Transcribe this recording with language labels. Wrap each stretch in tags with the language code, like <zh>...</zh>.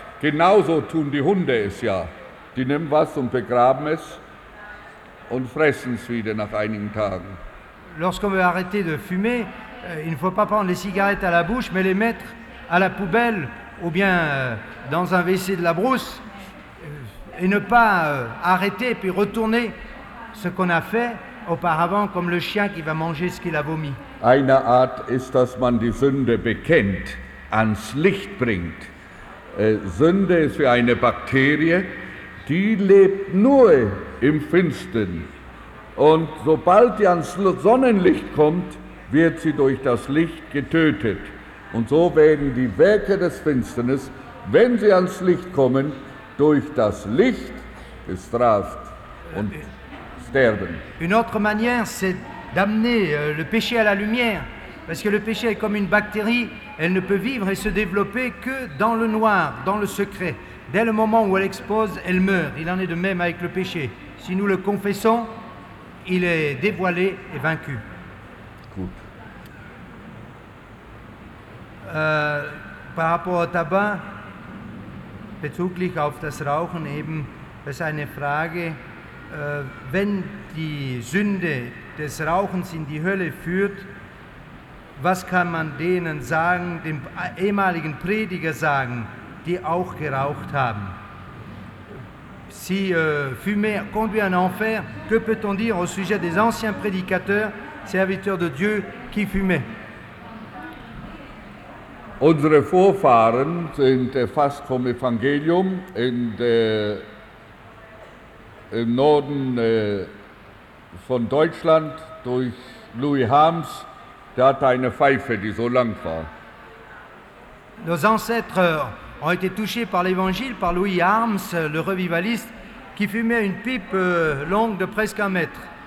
<de>Genauso tun die Hunde es ja. Die nehmen was und begraben es und fressen es wieder nach einigen Tagen.</de> <fr>Lorsqu'on veut arrêter de fumer, il ne faut pas prendre les cigarettes à la bouche, mais les mettre à la poubelle ou bien dans un WC de la brousse et ne pas arrêter puis retourner ce qu'on a fait auparavant comme le chien qui va manger ce qu'il a vomi.</fr> <de>Eine Art ist, dass man die Sünde bekennt, ans Licht bringt. Sünde ist wie eine Bakterie, die lebt nur im Finstern. Und sobald sie ans Sonnenlicht kommt, wird sie durch das Licht getötet. Und so werden die Werke des Finsternis, wenn sie ans Licht kommen, durch das Licht bestraft und sterben.</de> <fr>Une autre manière, c'est d'amener le péché à la lumière. Parce que le péché est comme une bactérie, elle ne peut vivre et se développer que dans le noir, dans le secret. Dès le moment où elle expose, elle meurt. Il en est de même avec le péché. Si nous le confessons, il est dévoilé et vaincu.</fr> <de>Gut.</de> <fr>Par rapport au tabac,</fr> <de>bezüglich auf das Rauchen eben, ist eine Frage, wenn die Sünde des Rauchens in die Hölle führt, was kann man denen sagen, dem ehemaligen Prediger sagen, die auch geraucht haben?</de> <fr>Si fumer conduit en enfer, que peut-on dire au sujet des anciens prédicateurs, serviteurs de Dieu, qui fumaient?</fr> <de>Unsere Vorfahren sind erfasst vom Evangelium in im Norden von Deutschland durch Louis Harms. Der hatte eine Pfeife, die so lang war.</de> <fr>Nos ancêtres ont été touchés par l'Évangile, par Louis Harms, le revivaliste, qui fumait une pipe longue de presque un mètre.</fr>